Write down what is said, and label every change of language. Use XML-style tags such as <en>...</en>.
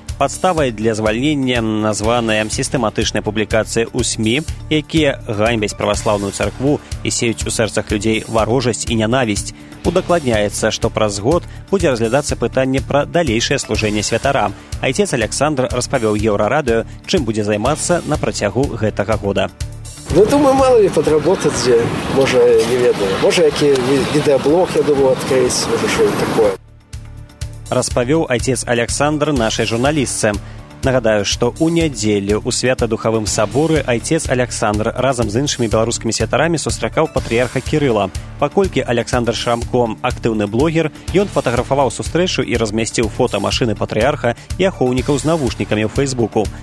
<be>Падставай для звальнення названая сістэматычная публікацыя ў СМІ, якія ганьбяць праваслаўную царкву і сеюць у сэрцах людзей варожасць і нянавісць. Удакладняецца, што праз год будзе разглядацца пытанне пра далейшае служэнне святара. Айцец Аляксандр распавёў Еўрарадыё, чым будзе займацца на працягу гэтага года.</be> <ru>Ну, думаю, мало ли подработать, где, может,</ru> <be>не ведаю.</be> <ru>Может, який відеоблог, я думаю, открыть, может, что-нибудь такое.</ru> <be>Распавёў</be> <ru>отец Александр нашей</ru> <be>журналістцы. Нагадаю, што ў нядзелю ў Свята-Духавым саборы айцец Аляксандр разам з іншымі беларускімі святарамі сустракаў патрыярха Кірыла. Паколькі Аляксандр Шрамко актыўны блогер, ён фатаграфаваў сустрэчу і размясціў фота машыны патрыярха і ахоўнікаў з навушнікамі ў Фейсбуку.</be>